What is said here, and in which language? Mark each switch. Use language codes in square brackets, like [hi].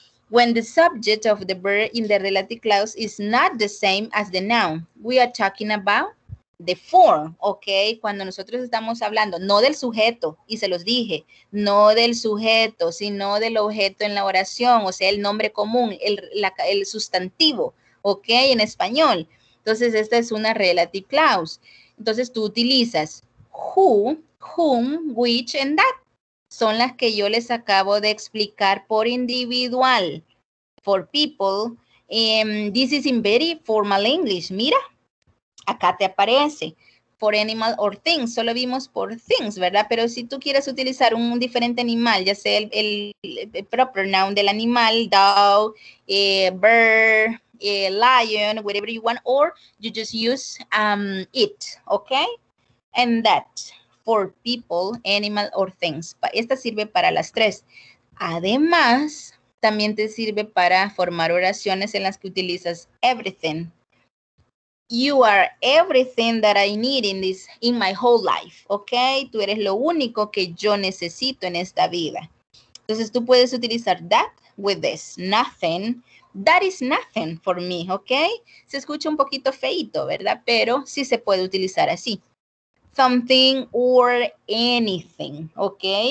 [en] When the subject of the verb in the relative clause is not the same as the noun, we are talking about the form, ¿ok? [es] Cuando nosotros estamos hablando, no del sujeto, y se los dije, no del sujeto, sino del objeto en la oración, o sea, el nombre común, el sustantivo, ¿ok? En español. Entonces, esta es una relative clause. Entonces, tú utilizas who, whom, which, and that. Son las que yo les acabo de explicar por individual, [en] for people. This is in very formal English, [es] mira. Acá te aparece, [en] for animal or things, [es] solo vimos por things, ¿verdad? Pero si tú quieres utilizar un diferente animal, ya sea el proper noun del animal, dog, bird, lion, [en] whatever you want, or you just use it, [es] ¿ok? [en] And that, for people, animal or things. [es] Esta sirve para las tres. Además, también te sirve para formar oraciones en las que utilizas everything. [en] You are everything that I need in this, in my whole life, ¿ok? [es] Tú eres lo único que yo necesito en esta vida. Entonces, tú puedes utilizar [en] that with this, nothing. That is nothing for me, ¿ok? [es] Se escucha un poquito feito, ¿verdad? Pero sí se puede utilizar así. [en] Something or anything, [es] ¿ok?